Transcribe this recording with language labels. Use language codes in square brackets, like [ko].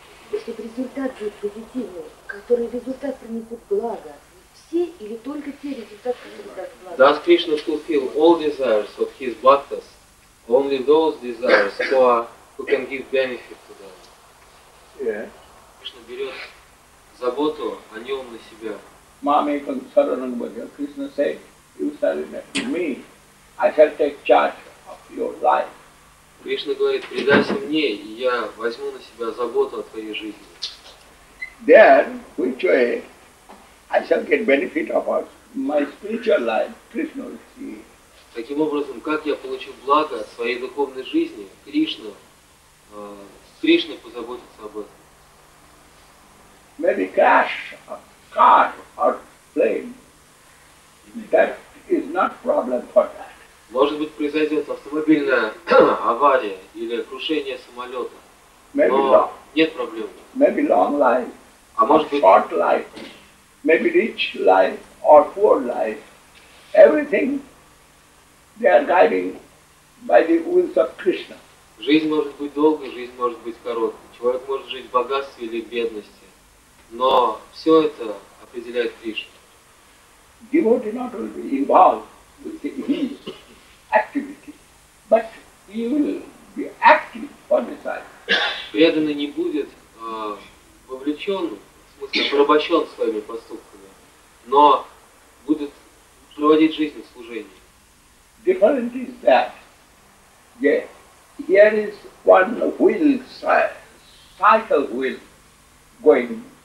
[ru] Если результат будет позитивный, который результат принесет благо, все или только те результаты принесут благо? [en] Does Krishna fulfill all desires of his bhaktas, only those desires who are, who can give benefit to them? Yeah. [ru] Krishna берет заботу о нем на себя. [sa] Mamekam saranam bhajam. [en] Krishna said, you surrender to me, I shall take charge of your life. [ru] Кришна говорит, предайся мне, и я возьму на себя заботу о твоей жизни. [en] Then, which way, I shall get benefit about my spiritual life, Krishna will see. [ru] Таким образом, как я получу благо от своей духовной жизни, Кришна, Кришна позаботится об этом. [en] Maybe crash a car or plane. That is not problem for that. [ru] Может быть, произойдет автомобильная авария или крушение самолета, [en] maybe [ru] но [en] long, [ru] нет проблем. [en] Maybe long life, [ru] а может быть, [en] short life, maybe rich life or poor life. Everything they are guiding by the wills of Krishna. [ru] Жизнь может быть долгой, жизнь может быть короткой. Человек может жить в богатстве или в бедности, но все это определяет Кришна. [en] Devotee not only involved with the activity, but he will be active on the side. [ru] Преданный не будет вовлечен, в смысле порабощен своими поступками, но будет проводить жизнь в служении. [en] Different is that. Yeah. Here is one wheel, cycle wheel going.